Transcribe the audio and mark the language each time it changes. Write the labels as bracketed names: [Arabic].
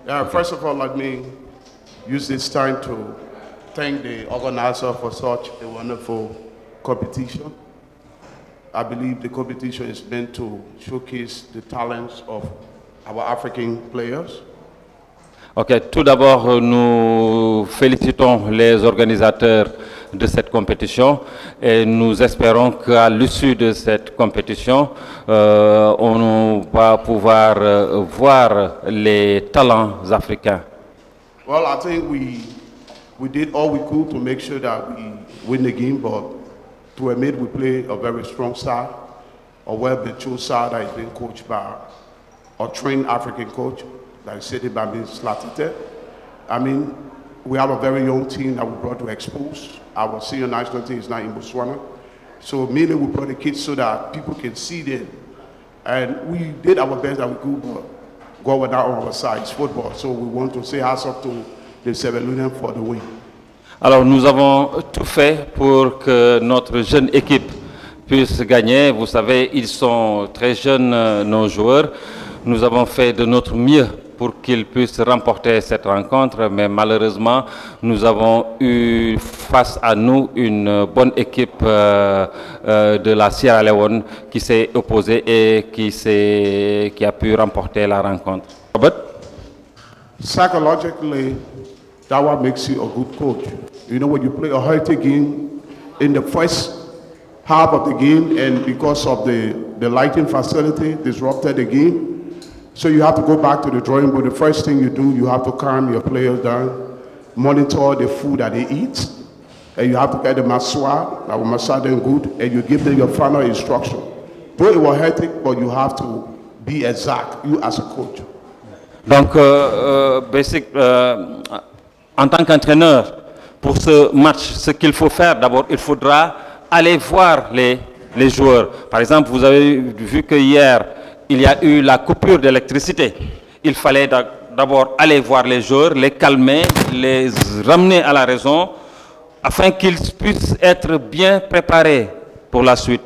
[English] First of all, let me use this time to thank the organizer for such a wonderful competition. I believe the competition is meant to showcase the talents of our African players. [French] Ok, tout d'abord, nous félicitons les organisateurs de cette compétition et nous espérons qu'à l'issue de cette compétition, on va pouvoir voir les talents africains. [English] Well, I think we did all we could to make sure that we win the game, but to admit we play a very strong side, a well-built side that has been coached by a trained African coach. Like City Bambin Slatite. I mean, we have a very young team that we brought to expose. Our senior national team is now in Botswana. So mainly we brought the kids so that people can see them. And we did our best that we could, but God was not on our side, it's football. So we want to say hats off to the Sierra Leone for the win. [French] Alors nous avons tout fait pour que notre jeune équipe puisse gagner. Vous savez, ils sont très jeunes, nos joueurs. Nous avons fait de notre mieux pour qu'ils puissent remporter cette rencontre, mais malheureusement, nous avons eu face à nous une bonne équipe de la Sierra Leone qui s'est opposée et qui a pu remporter la rencontre. [English] Robert? Psychologically, that's what makes you a good coach. You know, when you play a healthy game in the first half of the game and because of the lighting facility disrupted the game, so you have to go back to the drawing board. The first thing you do, you have to calm your players down, monitor the food that they eat, and you have to get the masseur, that will massage them good, and you give them your final instruction. Though it was hectic, but you have to be exact, you as a coach. [French] Donc, basic, en tant qu'entraîneur, pour ce match, ce qu'il faut faire, d'abord, il faudra aller voir les joueurs. Par exemple, vous avez vu que hier, il y a eu la coupure d'électricité. Il fallait d'abord aller voir les joueurs, les calmer, les ramener à la raison, afin qu'ils puissent être bien préparés pour la suite.